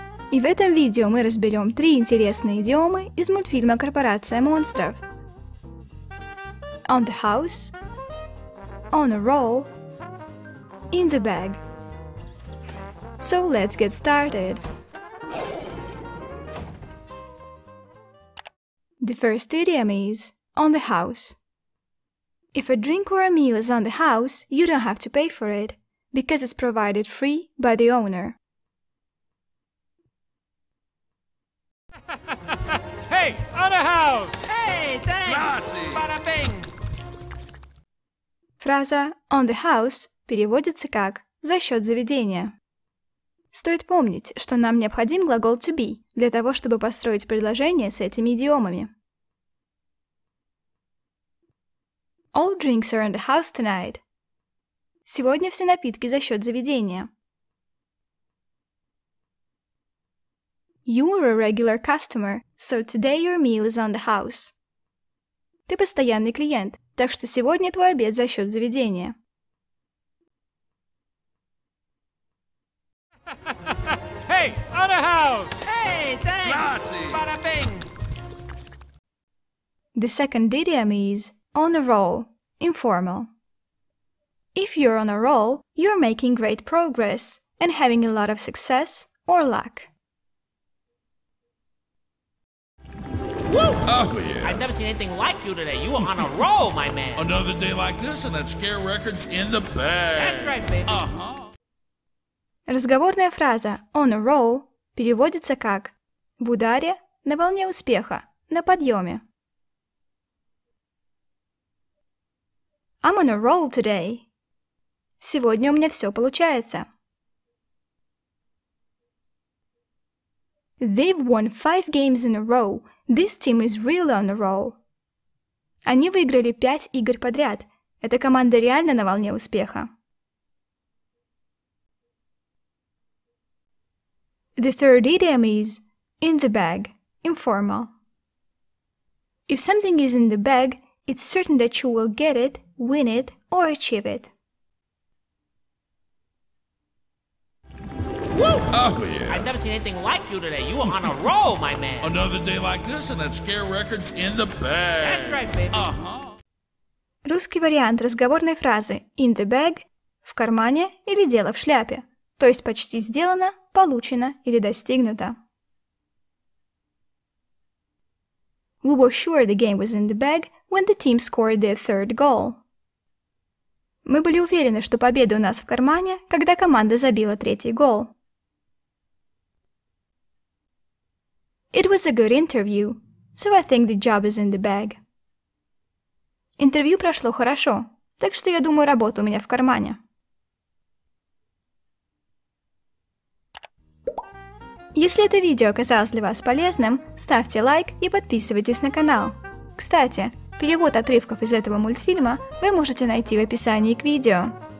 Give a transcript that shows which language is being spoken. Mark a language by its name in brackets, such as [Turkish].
[Russian] И в этом видео мы разберем три интересные идиомы из мультфильма «Корпорация монстров». [English] On the house, on a roll, in the bag. So let's get started. The first idiom is on the house. If a drink or a meal is on the house, you don't have to pay for it, because it's provided free by the owner. Hey, on the house! Hey, thanks! [Italian] Grazie! [English] Bada-bing! [Russian] Фраза on the house переводится как «за счет заведения». Стоит помнить, что нам необходим глагол to be для того, чтобы построить предложение с этими идиомами. [English] All drinks are in the house tonight. [Russian] Сегодня все напитки за счет заведения. [English] You are a regular customer, so today your meal is on the house. [Russian] Ты постоянный клиент, так что сегодня твой обед за счет заведения. [English] Hey, on the house! Hey, thanks! [Italian] Grazie! [English] Bada-bing! The second idiom is on a roll. Informal. If you're on a roll, you're making great progress and having a lot of success or luck. Woo! Oh, yeah. I've never seen anything like you today. You are on a roll, my man. Another day like this and that scare record's in the bag. That's right, baby. Uh-huh. [Russian] Разговорная фраза on a roll переводится как в ударе, на волне успеха, на подъеме. [English] I'm on a roll today. [Russian] Сегодня у меня все получается. [English] They've won 5 games in a row. This team is really on a roll. [Russian] Они выиграли 5 игр подряд. Эта команда реально на волне успеха. [English] The third idiom is in the bag, informal. If something is in the bag, it's certain that you will get it, win it, or achieve it. Woo! Oh, yeah. I've never seen anything like you today. You are on a roll, my man. Another day like this and that scare record's in the bag. That's right, baby. Uh-huh. [Russian] Русский вариант разговорной фразы in the bag – в кармане или дело в шляпе. То есть почти сделано, получено или достигнуто. [English] We were sure the game was in the bag when the team scored their third goal. [Russian] Мы были уверены, что победа у нас в кармане, когда команда забила третий гол. [English] It was a good interview, so I think the job is in the bag. [Russian] Интервью прошло хорошо, так что я думаю, работа у меня в кармане. Если это видео оказалось для вас полезным, ставьте лайк и подписывайтесь на канал. Кстати, перевод отрывков из этого мультфильма вы можете найти в описании к видео.